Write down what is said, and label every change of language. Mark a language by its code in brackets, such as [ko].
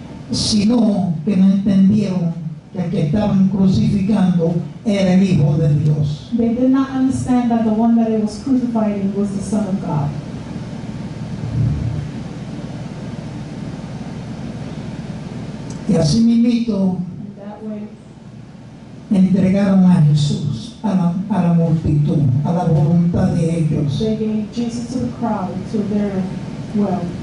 [es] Sino que no entendieron que el que estaban crucificando era el Hijo de Dios. [en] They did not understand that the one that it was crucifying was the Son of God. [es] Y así mismito entregaron a Jesús a la multitud, a la voluntad de ellos. [en] They gave Jesus to the crowd, to their will.